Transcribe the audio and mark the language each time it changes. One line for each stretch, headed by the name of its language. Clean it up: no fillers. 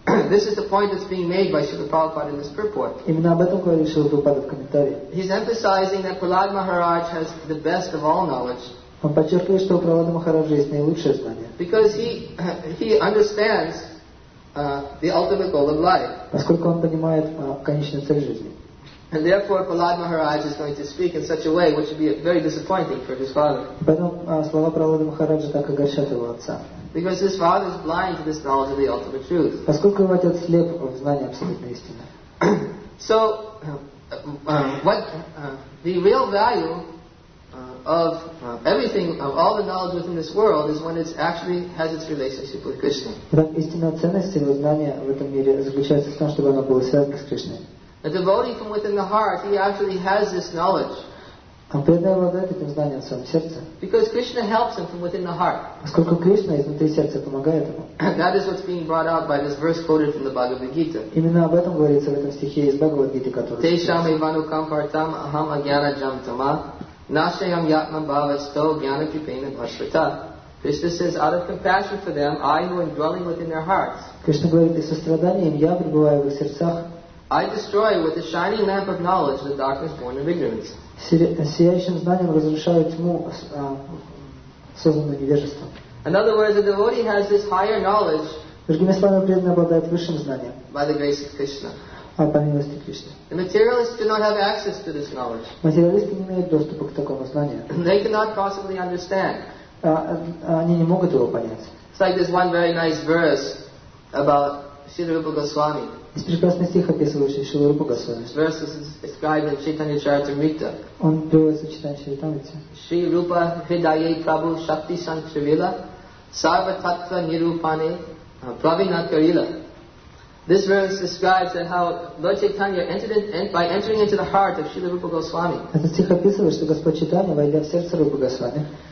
English: This is the point that's being made by Srila Prabhupada in this purport.
Russian: Именно об этом говорит Шрила Прабхупада в комментарии.
English: He's emphasizing that Prahlad Maharaj has the best of all knowledge.
Russian: Он подчеркивает, что у Прахлада Махараджа есть наилучшее знание.
English: Because he understands the ultimate goal of life.
Russian: Поскольку он понимает конечную цель жизни.
English: And therefore, Prahlad Maharaj is going to speak in such a way which would be very disappointing for his father.
Russian: Поэтому слова Прахлада Махараджа так огорчат его отца.
English: Because his father is blind to this knowledge of the ultimate truth.
Russian: Поскольку его отец слеп в знании абсолютной истины.
English: So, what the real value of everything, of all the knowledge within this world, is when it actually has its relationship with Krishna.
Russian: Итак, истинная ценность его знания в этом мире заключается в том, чтобы оно было связано с Кришной.
English: A devotee from within the heart, he actually has this knowledge.
Russian: Он преданно обладает этим знанием в своем сердце.
English: Because Krishna helps him from within the heart.
Russian: Поскольку Кришна изнутри сердца помогает ему.
English: That is what's being brought out by this verse quoted from the Bhagavad Gita.
Russian: Именно об этом говорится в этом стихе из Бхагавад Гиты, который.
Sanskrit: Тешам ивану кампартам ахам агьяна джамтама нашаям ятмам бхавасто гьяна кипейна бхашвата.
English: Krishna says, out of compassion for them, I who am dwelling within their hearts.
Russian: Кришна говорит, и состраданием я пребываю в их сердцах.
English: I destroy with the shining lamp of knowledge the darkness born of ignorance.
Russian: Сияющим знанием разрушают тьму, созданную невежеством.
English: In other words, the devotee has this higher knowledge.
Russian: Другими словами, преданный обладает высшим знанием.
English: By the grace of Krishna.
Russian: А по милости Кришны.
English: The materialists do not have access to this knowledge.
Russian: Материалисты не имеют доступа к такому знанию.
English: They cannot possibly understand.
Russian: Они не могут его понять.
English: It's like this one very nice verse about Srila Rupa Goswami.
Russian: Есть прекрасный стих, описывающий Шрилу Рупа Госвами.
English: This verse is described in Chaitanya Charitamrita.
Russian: Он приводится в Читание Чаритамрите.
Sanskrit: Шри Рупа Хридайе Прабху Шакти Санкшавила Сарва Татва Нирупане Правина Карила.
English: This verse describes that how Lord Chaitanya entering into the heart of Shri Rupa Goswami.
Russian: Этот стих описывает, что Господь Читания, войдя в сердце Рупа Госвами,